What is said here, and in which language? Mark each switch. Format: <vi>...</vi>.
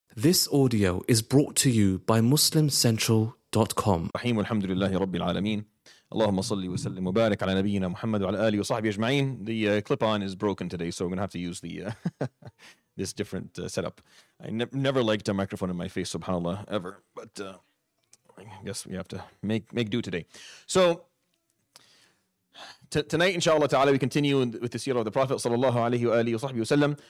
<en>This audio is brought to you by MuslimCentral.com.</en> <ar>رحيم الحمد لله رب العالمين. اللهم صل وسلم وبارك على نبينا محمد وعلى آله وصحبه أجمعين.</ar> <en>The clip-on is broken today, so we're going to have to use the this different setup. I never liked a microphone in my face, subhanAllah, ever. But I guess we have to make do today. So tonight, inshallah ta'ala, we continue with the seerah of the Prophet sallallahu alayhi wa alihi wa sahbihi wa sallam.</en>